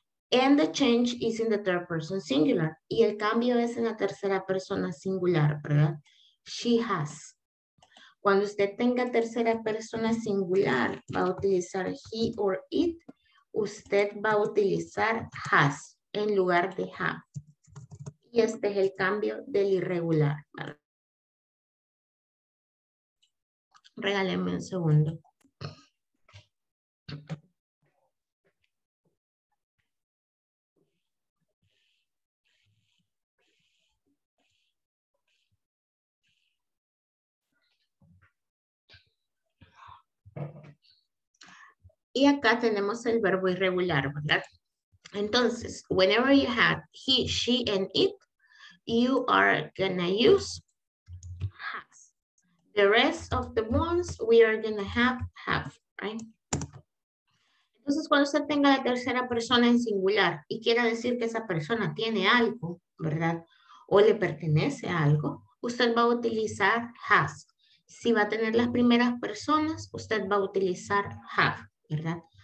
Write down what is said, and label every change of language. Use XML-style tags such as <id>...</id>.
<en>And the change is in the third person singular.</en> <es>Y el cambio es en la tercera persona singular, ¿verdad?</es> <en>She has.</en> <es>Cuando usted tenga tercera persona singular, va a utilizar he or it. Usted va a utilizar has en lugar de have. Y este es el cambio del irregular. Regáleme un segundo. Y acá tenemos el verbo irregular, ¿verdad?</es> <en>Entonces, whenever you have he, she, and it, you are gonna use has. The rest of the ones, we are gonna have, right?</en> <es>Entonces, cuando usted tenga la tercera persona en singular y quiera decir que esa persona tiene algo, ¿verdad? O le pertenece a algo, usted va a utilizar has. Si va a tener las primeras personas, usted va a utilizar have. ¿Verdad?</es>